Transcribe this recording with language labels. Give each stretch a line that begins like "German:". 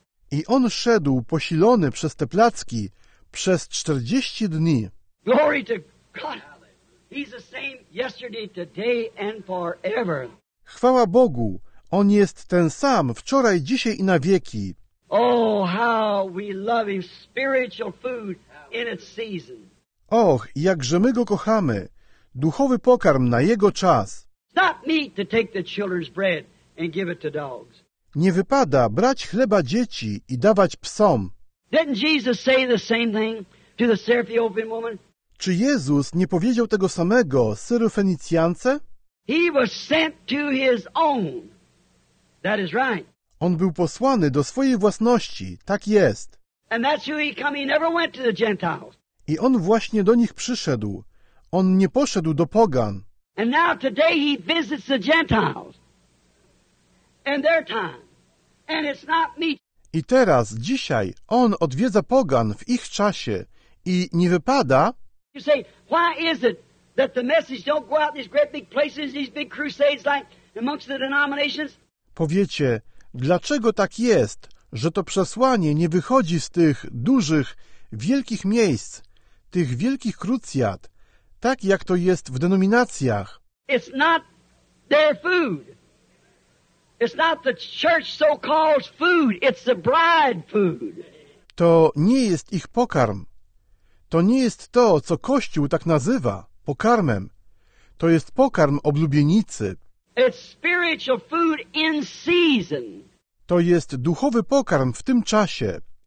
Polish: I on szedł posilony przez te placki przez 40 dni.
English: Glory to God. He's the same yesterday, today and forever.
Polish: Chwała Bogu, on jest ten sam wczoraj, dzisiaj i na wieki.
English: Oh, how we love him, spiritual food in its season.
Polish: Och, jakże my go kochamy, duchowy pokarm na jego czas.
English: Not meat to take the children's bread and give it to dogs.
Polish: Nie wypada brać chleba dzieci i dawać psom.
English: Didn't Jesus say the same thing to the Syrophoenician woman?
Polish: Czy Jezus nie powiedział tego samego Syrofenicjance?
English: He was sent to his own. That is right.
Polish: On był posłany do swojej własności, tak jest.
English: And that's who he come. He never went to the Gentiles.
Polish: I on właśnie do nich przyszedł. On nie poszedł do pogan.
English: And now today he visits the Gentiles in their time. And it's not me.
Polish: I teraz, dzisiaj, on odwiedza pogan w ich czasie i nie wypada.
English: You say, why is it that the message don't go out in these great big places, these big crusades like amongst the denominations?
Polish: Powiecie, dlaczego tak jest, że to przesłanie nie wychodzi z tych dużych, wielkich miejsc, tych wielkich krucjat, tak jak to jest w denominacjach?
English: It's not their food. It's not the church so-called food. It's the bride food.
Polish: To nie jest ich pokarm. To nie jest to, co Kościół tak nazywa, pokarmem. To jest pokarm oblubienicy.
English: It's spiritual food in season.
Polish: To jest duchowy pokarm w tym czasie.